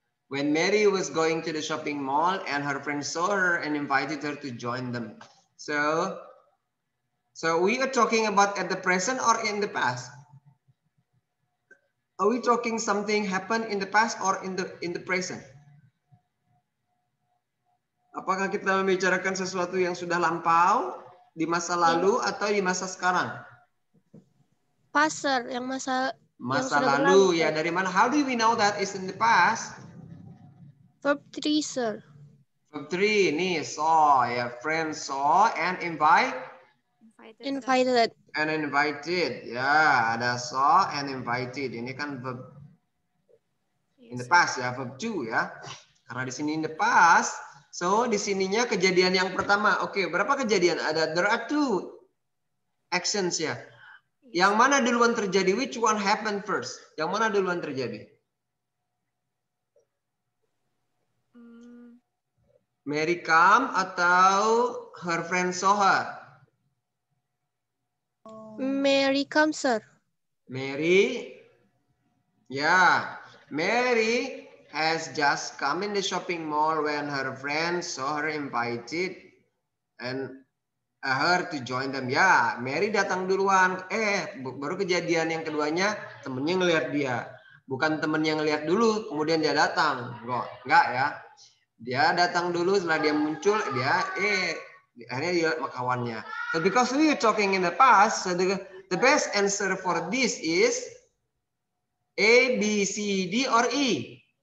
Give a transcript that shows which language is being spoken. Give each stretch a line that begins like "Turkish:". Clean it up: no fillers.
English: When Mary was going to the shopping mall and her friend saw her and invited her to join them. So we are talking about at the present or in the past? Are we talking something happened in the past or in the present?
Indonesian: Apakah kita membicarakan sesuatu yang sudah lampau di masa lalu atau di masa sekarang? Past, yang masa masa yang lalu berlalu. Ya, dari mana?
English: How do we know that is in the past? Verb 3, sir. Verb 3, ini saw, ya, friend saw and invite. Invited. And invited, ya, yeah, ada saw and invited.
Indonesian: Ini kan
English: verb in the past, ya, verb 2, ya.
Indonesian: Karena di sini
English: in the past,
Indonesian: so di sininya kejadian yang pertama. Oke, berapa kejadian?
English: Ada, there are two actions, ya.
Indonesian: Yang mana duluan terjadi?
English: Which one happened first?
Indonesian: Yang mana duluan terjadi?
English: Mary come atau her friend saw her? Mary come, sir. Mary? Yeah. Mary has just come in the shopping mall when her friend saw her invited and her to join them.
Indonesian: Ya, yeah, Mary datang duluan. Baru kejadian yang keduanya, temennya ngelihat dia. Bukan temennya ngelihat dulu, kemudian dia datang. Enggak ya. Dia datang dulu, setelah dia muncul, dia akhirnya dia sama kawannya.
English: So because we are talking in the past, so the best answer for this is A, B, C, D, or E.